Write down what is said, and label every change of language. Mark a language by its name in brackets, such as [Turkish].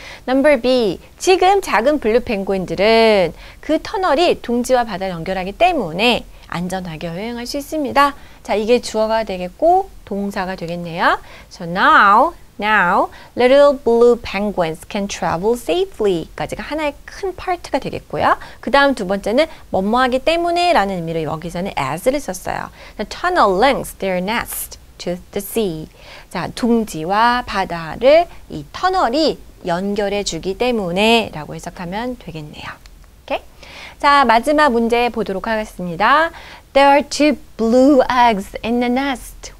[Korean] Number B, 지금 작은 블루 펭귄들은 그 터널이 둥지와 바다를 연결하기 때문에 안전하게 여행할 수 있습니다. 자, 이게 주어가 되겠고 동사가 되겠네요. [English] So now, little blue penguins can travel safely [Korean] 까지가 하나의 큰 파트가 되겠고요. 그 다음 두 번째는 뭐뭐하기 때문에 라는 의미로 여기서는 as를 썼어요. [English] The tunnel links their nest to the sea. [Korean] 자, 둥지와 바다를 이 터널이 연결해 주기 때문에 라고 해석하면 되겠네요. 자, 마지막 문제 보도록 하겠습니다. [English] There are two blue eggs in the nest.